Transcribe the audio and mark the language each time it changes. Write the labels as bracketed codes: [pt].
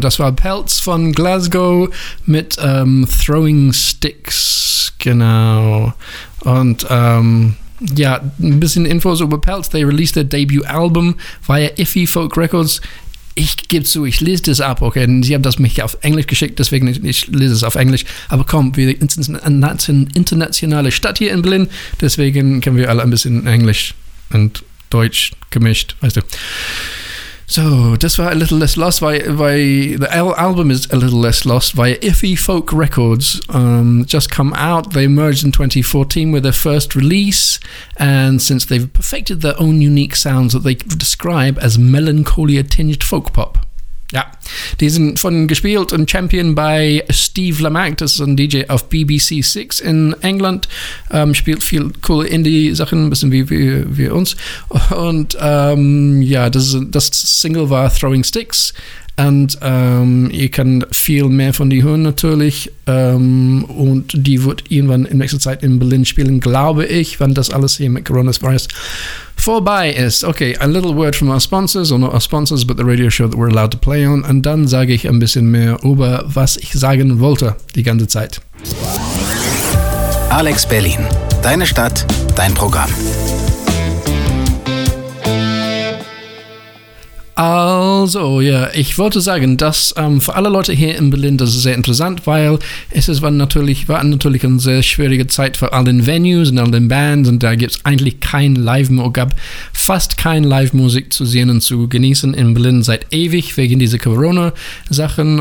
[de] Das war Pelz von Glasgow mit Throwing Sticks. Genau. Und ja, ein bisschen Infos über Pelz. [en] They released their debut album via Iffy Folk Records. [de] Ich gebe zu, ich lese das ab, okay? Und sie haben das mich auf Englisch geschickt, deswegen ich lese es auf Englisch. Aber komm, wir sind eine internationale Stadt hier in Berlin, deswegen können wir alle ein bisschen Englisch und Deutsch gemischt, weißt du. So, das war [en] A Little Less Lost, [de] weil [en] the album is A Little Less Lost via Iffy Folk Records. Just come out. They emerged in 2014 with their first release, and since they've perfected their own unique sounds that they describe as melancholia-tinged folk pop. [de] Ja, die sind von gespielt und [en] championed by [de] Steve Lamack, das ist ein DJ auf BBC 6 in England, spielt viel coole Indie-Sachen, ein bisschen wie uns. Und ja, das Single war Throwing Sticks und ihr könnt viel mehr von die hören natürlich und die wird irgendwann in nächster Zeit in Berlin spielen, glaube ich, wenn das alles hier mit Coronavirus vorbei ist. [en] Okay, a little word from our sponsors, or not our sponsors, but the radio show that we're allowed to play on. [de] Und dann sage ich ein bisschen mehr über, was ich sagen wollte, die ganze Zeit. Alex Berlin, deine Stadt, dein Programm. Also, ja, ich wollte sagen, dass für alle Leute hier in Berlin, das ist sehr interessant, weil es war natürlich eine sehr schwierige Zeit für all den Venues und all den Bands und da gibt es eigentlich kein Live, oder gab fast kein Live-Musik zu sehen und zu genießen in Berlin seit ewig wegen dieser Corona-Sachen.